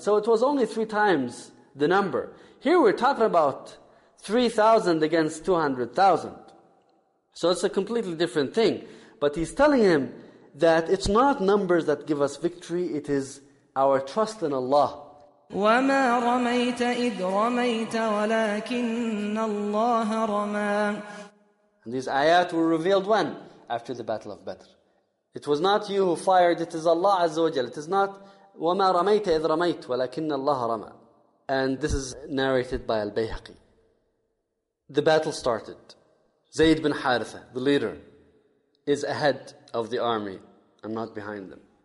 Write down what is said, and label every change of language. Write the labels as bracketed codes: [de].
[en] So it was only three times the number. Here we're talking about 3,000 against 200,000. So it's a completely different thing. But he's telling him that it's not numbers that give us victory. It is our trust in Allah. [ar] وما رميت إذ رميت ولكن الله رمى. [en] And these ayat were revealed when? After the Battle of Badr. It was not you who fired, it is Allah Azza wa Jal. It is not [ar] وما رميت إذ رميت ولكن الله رمى. [en] And this is narrated by Al-Bayhaqi. The battle started. Zayd bin Haritha, the leader, is ahead of the army and not behind them.